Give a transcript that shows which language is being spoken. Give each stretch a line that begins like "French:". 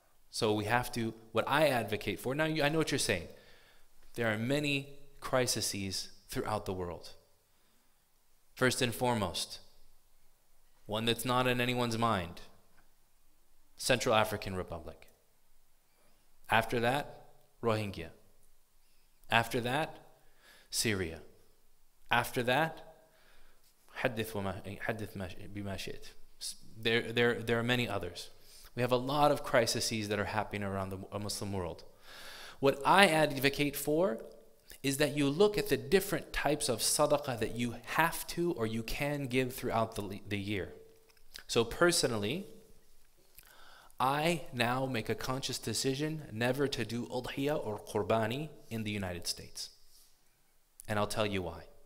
English: So we have to, what I advocate for, now I know what you're saying, there are many crises throughout the world. First and foremost, one that's not in anyone's mind, Central African Republic. After that, Rohingya. After that, Syria. After that,
Arabic: حدث بما شئت.
English: There are many others. We have a lot of crises that are happening around the Muslim world. What I advocate for is that you look at the different types of sadaqah that you have to or you can give throughout the year. So personally, I now make a conscious decision never to do udhiyah or qurbani in the United States. And I'll tell you why.